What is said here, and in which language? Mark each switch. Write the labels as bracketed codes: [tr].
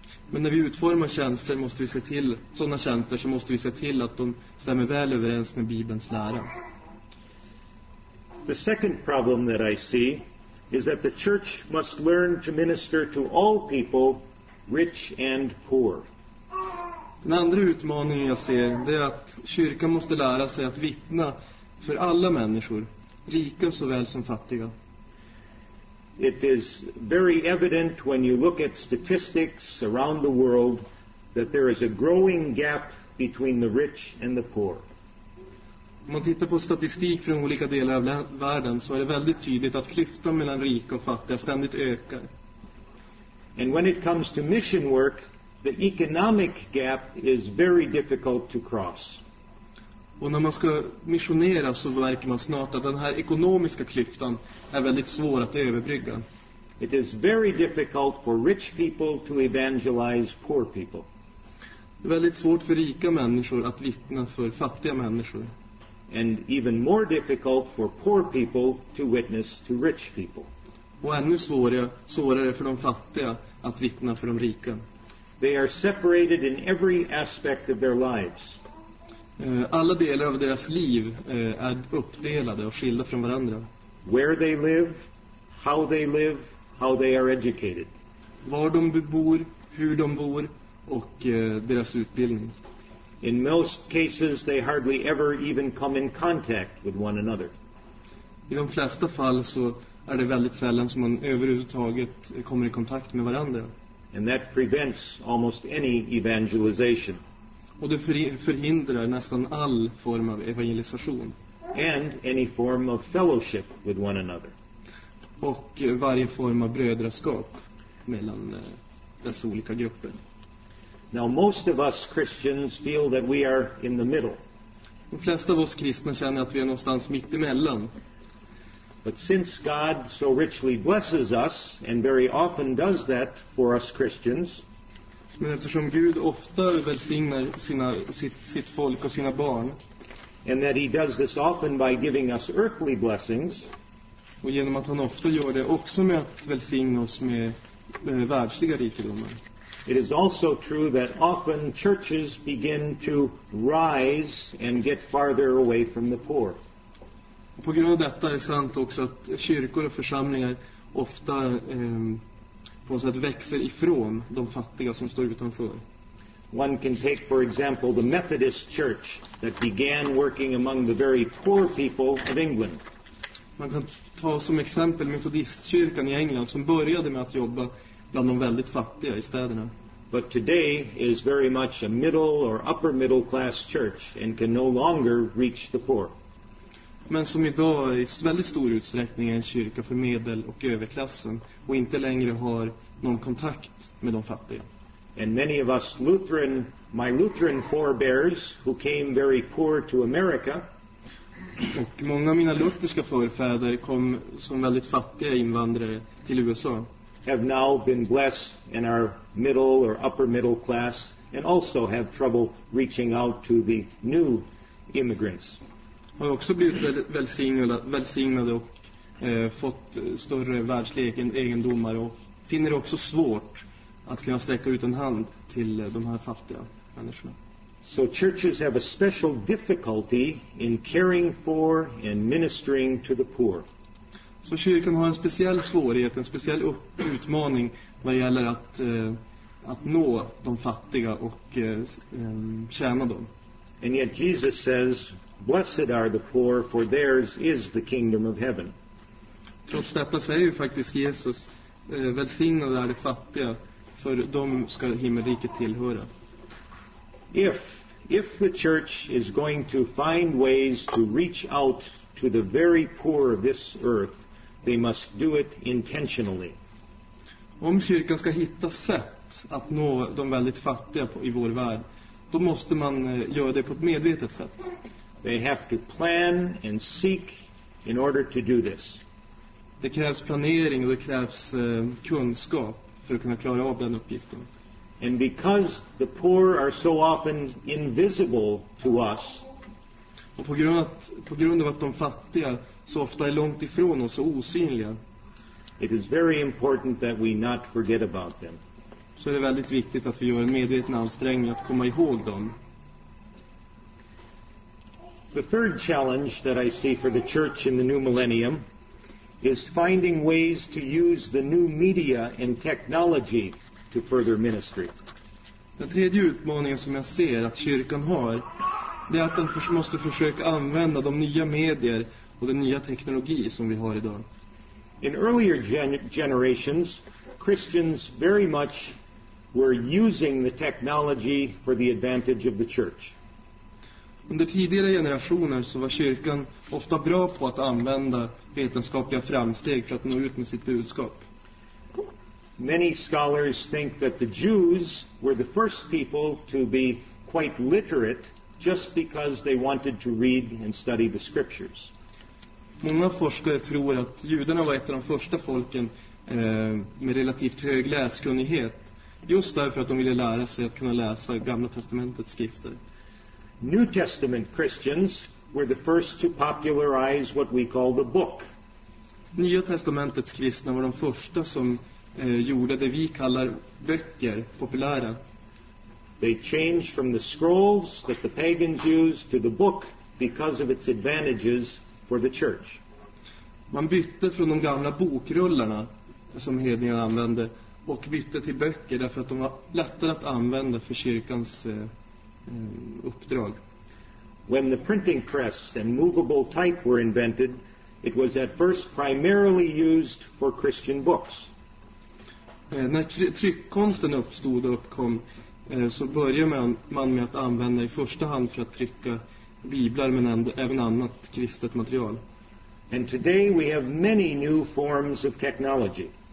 [sv] Men när vi utformar tjänster måste vi se till sådana tjänster, så måste vi se till att de stämmer väl överens med Bibelns lära. [en] The second problem that I see is that the church must learn to minister to all people, rich and poor. [sv] Den andra utmaningen jag ser är att kyrkan måste lära sig att vittna för alla människor, rika såväl som fattiga. [en] It is very evident when you look at statistics around the world that there is a growing gap between the rich and the poor. [sv] Om man tittar på statistik från olika delar av världen så är det väldigt tydligt att klyftan mellan rika och fattiga ständigt ökar. [en] And when it comes to mission work, the economic gap is very difficult to cross. [sv] Och när man ska missionera så verkar man snart att den här ekonomiska klyftan är väldigt svår att överbrygga. [en] It is very difficult for rich people to evangelize poor people. [sv] Det är väldigt svårt för rika människor att vittna för fattiga människor. [en] And even more difficult for poor people to witness to rich people. [sv] Och ännu svårare för de fattiga att vittna för de rika. [en] They are separated in every aspect of their lives. [sv] Alla delar av deras liv är uppdelade och skilda från varandra. [en] Where they live, how they live, how they are educated. [sv] Var de bor, hur de bor och deras utbildning. [en] In most cases they hardly ever even come in contact with one another. [sv] I de flesta fall så är det väldigt sällan som man överhuvudtaget kommer i kontakt med varandra. [en] And that prevents almost any evangelization. [sv] Och det förhindrar nästan all form av evangelisation. [en] And any form of fellowship with one another. [sv] Och varje form av brödraskap mellan dessa olika grupper. [en] Now most of us Christians feel that we are in the middle. [sv] De flesta av oss kristna känner att vi är någonstans mitt emellan. [en] But since God so richly blesses us and very often does that for us Christians, [sv] men eftersom Gud ofta välsignar sitt folk och sina barn, [en] and that he does this often by giving us earthly blessings, [sv] och genom att han ofta gör det också med att välsigna oss med världsliga rikedomar. [en] It is also true that often churches begin to rise and get farther away from the poor. [sv] Och på grund av detta är sant också att kyrkor och församlingar ofta på något sätt växer ifrån de fattiga som står utanför. [en] One can take for example the Methodist Church that began working among the very poor people of England. [sv] Man kan ta som exempel metodistkyrkan i England som började med att jobba bland de väldigt fattiga i städerna. [en] But today is very much a middle or upper middle class church and can no longer reach the poor. [sv] Men som idag i väldigt stor utsträckning är en kyrka för medel- och överklassen och inte längre har någon kontakt med de fattiga. [en] And many of us Lutheran, my Lutheran forebears who came very poor to America. [sv] Och många av mina lutherska förfäder kom som väldigt fattiga invandrare till USA. [en] Have now been blessed in our middle or upper middle class and also have trouble reaching out to the new immigrants. [sv] Har också blivit välsignade och fått större världsliga egendomar och finner det också svårt att kunna sträcka ut en hand till de här fattiga människorna. [en] So churches have a special difficulty in caring for and ministering to the poor. [sv] Så kyrkan har en speciell svårighet, en speciell utmaning vad gäller att nå de fattiga och tjäna dem. [en] And yet Jesus says, blessed are the poor, for theirs is the kingdom of heaven. [sv] Trots detta säger ju faktiskt Jesus, välsignade är de fattiga, för de ska himmelriket tillhöra. [en] If the church is going to find ways to reach out to the very poor of this earth, they must do it intentionally. [sv] Om kyrkan ska hitta sätt att nå de väldigt fattiga i vår värld, då måste man göra det på ett medvetet sätt. [en] They have to plan and seek in order to do this. [sv] Det krävs planering och det krävs kunskap för att kunna klara av den uppgiften. [en] And because the poor are so often invisible to us. [sv] Och på grund av att de fattiga så ofta är långt ifrån oss och osynliga. [en] It is very important that we not forget about them. [sv] Så är det väldigt viktigt att vi gör en medveten ansträngning att komma ihåg dem. [en] The third challenge that I see for the church in the new millennium is finding ways to use the new media and technology to further ministry. [sv] Den tredje utmaningen som jag ser att kyrkan har, det är att den måste försöka använda de nya medier och den nya teknologi som vi har idag. [en] In earlier generations, Christians very much were using the technology for the advantage of the church. [sv] Under tidigare generationer så var kyrkan ofta bra på att använda vetenskapliga framsteg för att nå ut med sitt budskap. [en] Many scholars think that the Jews were the first people to be quite literate just because they wanted to read and study the scriptures. [sv] Många forskare tror att judarna var ett av de första folken med relativt hög läskunnighet just därför att de ville lära sig att kunna läsa Gamla testamentets skrifter. [en] New Testament Christians were the first to popularize what we call the book. [sv] Nya testamentets kristna var de första som gjorde det vi kallar böcker populära. [en] They changed from the scrolls that the pagans used to the book because of its advantages for the church. [sv] Man bytte från de gamla bokrullarna som hedningarna använde och bytte till böcker därför att de var lättare att använda för kyrkans uppdrag. [en] When the printing press and movable type were invented, it was at first primarily used for Christian books. [sv] När tryckkonsten uppstod och uppkom så började man med att använda i första hand för att trycka biblar men även annat kristet material. [en] And today we have many new forms of technology.